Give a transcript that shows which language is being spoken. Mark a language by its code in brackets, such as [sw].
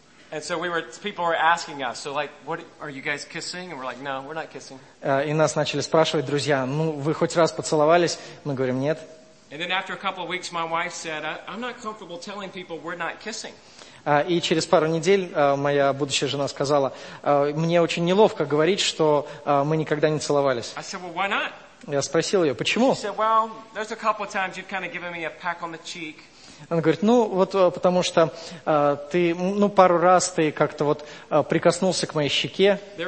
[en] And so people were asking us, so like, what are you guys kissing? And we're like, no, we're not kissing. [ru] И нас начали спрашивать друзья, ну вы хоть раз поцеловались? Мы говорим нет. [en] And then after a couple of weeks, my wife said, I'm not comfortable telling people we're not kissing. [ru] И через пару недель моя будущая жена сказала, мне очень неловко говорить, что мы никогда не целовались. [en] I said, well, why not? [ru] Я спросил ее, почему? [en] She said, well, there's a couple of times you've kind of given me a peck on the cheek. [ru] Она говорит, ну вот потому что ты, ну пару раз ты как-то вот прикоснулся к моей щеке.